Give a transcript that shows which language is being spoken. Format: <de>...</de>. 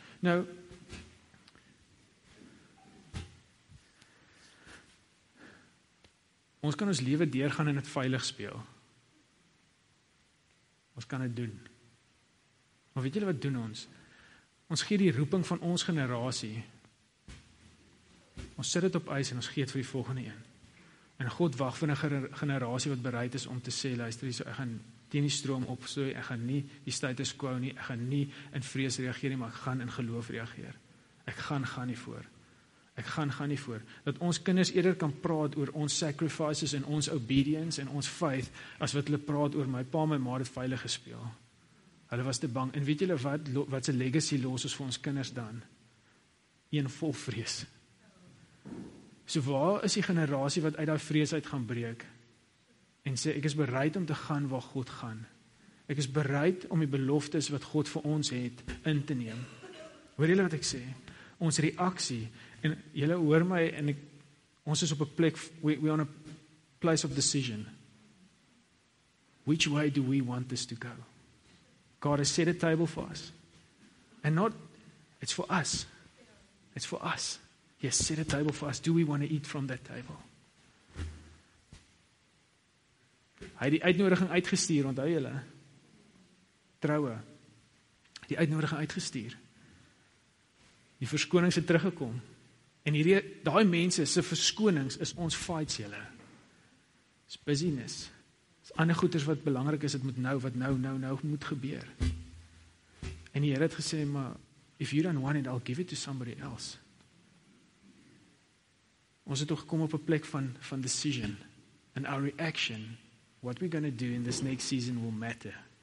<af>Nou, ons kan ons lewe deurgaan en het veilig speel. Ons kan het doen. Maar weet julle wat doen ons? Ons gee die roeping van ons generasie. Ons sit het op ijs en ons gee het vir die volgende een. En God wacht vir 'n generasie wat bereid is om te sê, luister, so ek gaan teen die stroom op, so ek gaan nie die status quo nie, ek gaan nie in vrees reageer nie, maar ek gaan in geloof reageer. Ek gaan nie voor. Dat ons kinders eerder kan praat oor ons sacrifices en ons obedience en ons faith, as wat hulle praat oor my pa en my ma het veilig gespeel. Hulle was te bang. En weet julle wat se legacy los is vir ons kinders dan? Een vol vrees. So waar is die generasie wat uit die vrees uit gaan breek en sê, ek is bereid om te gaan waar God gaan. Ek is bereid om die beloftes wat God vir ons het in te neem. Hoor jylle wat ek sê? Ons reaksie, en jylle hoor my, en ons is op 'n plek,</af> <en>we're on a place of decision. Which way do we want this to go? God has set a table for us. And not, it's for us. It's for us. He has set a table for us. Do we want to eat from that table?</en> <af>Hy het die uitnodiging uitgestuur, onthou julle. Troue. Die uitnodiging uitgestuur. Die verskonings het teruggekom. En hierdie, daai mense, se verskonings is ons fights julle.</af> <en>It's busyness.</en> <af>It's ander goeders wat belangrik is, het moet nou, wat nou moet gebeur. En die Here het gesê, maar</af> <en>if you don't want it, I'll give it to somebody else.</en> <af>Ons het toch gekom op 'n plek van decision.</af> <en>And our reaction What we're going to do in this next season will matter.</en>